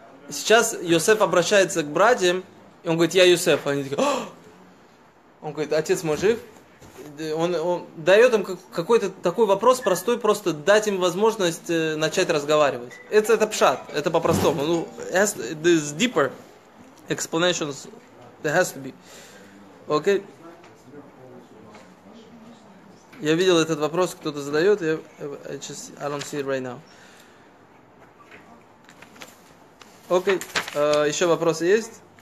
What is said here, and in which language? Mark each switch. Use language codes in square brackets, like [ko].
[ru] Сейчас Йосеф обращается к братьям, и он говорит, я Йосеф. Они такие, он говорит, отец мой жив? Он дает им какой-то такой вопрос простой, просто дать им возможность начать разговаривать. Это пшат, это по-простому. [en] Ну, there's deeper explanations, there has to be. Okay. [ru] Я видел этот вопрос, кто-то задает, [en] I don't see it right now. [ru] Okay. Еще вопросы есть?